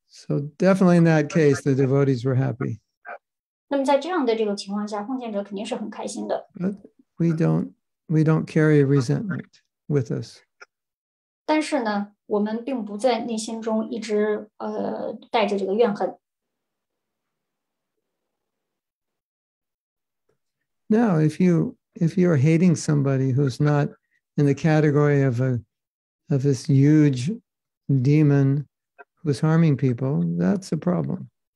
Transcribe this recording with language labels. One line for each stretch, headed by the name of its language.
English: So definitely in that case, the devotees were happy.
Chinese: 那么在这样的这个情况下，奉献者肯定是很开心的。
English: But we don't carry resentment with us.
Chinese: 但是呢，我们并不在内心中一直带着这个怨恨。
English: Now, if you are hating somebody who's not in the category of this huge demon who's harming people, that's a problem.